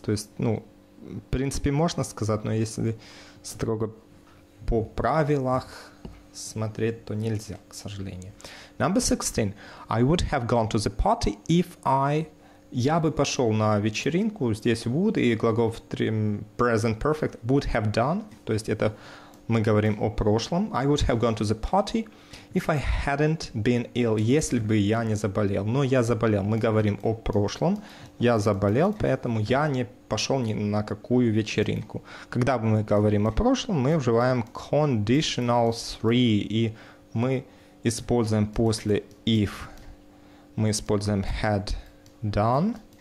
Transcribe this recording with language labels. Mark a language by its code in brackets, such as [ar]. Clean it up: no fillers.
[ru] То есть, ну, в принципе, можно сказать, но если строго по правилам смотреть, то нельзя, к сожалению. [en] Number 16. I would have gone to the party if I... [ru] Я бы пошел на вечеринку. Здесь would и глагол в present perfect [en] would have done. [ru] То есть это мы говорим о прошлом. [en] I would have gone to the party if I hadn't been ill. [ru] Если бы я не заболел. Но я заболел. Мы говорим о прошлом. Я заболел, поэтому я не пошел ни на какую вечеринку. Когда мы говорим о прошлом, мы вживаем conditional 3. И мы используем после if. Мы используем had done.